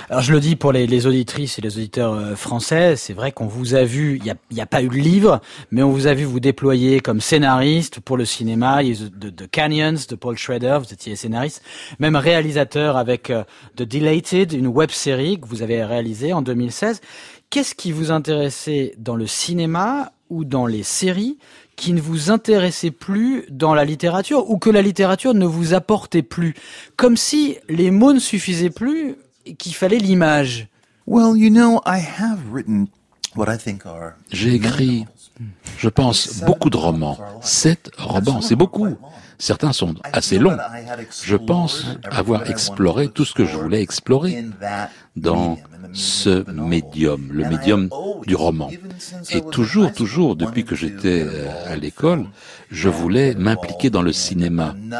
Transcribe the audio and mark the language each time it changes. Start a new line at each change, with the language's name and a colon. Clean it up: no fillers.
French: Alors, je le dis pour les auditrices et les auditeurs français, c'est vrai qu'on vous a vu, il n'y a pas eu de livre, mais on vous a vu vous déployer comme scénariste pour le cinéma, de Canyons, de Paul Schrader, vous étiez scénariste, même réalisateur avec The Deleted, une web-série que vous avez réalisée en 2016. Qu'est-ce qui vous intéressait dans le cinéma ou dans les séries qui ne vous intéressait plus dans la littérature ou que la littérature ne vous apportait plus, comme si les mots ne suffisaient plus et qu'il fallait l'image?
English: Well, you know, I have written what I think are...
French: J'ai écrit, je pense, beaucoup de romans. 7 romans, c'est beaucoup. Certains sont assez longs. Je pense avoir exploré tout ce que je voulais explorer dans ce médium, le médium du roman. Et toujours, toujours, depuis que j'étais à l'école, je voulais m'impliquer dans le cinéma.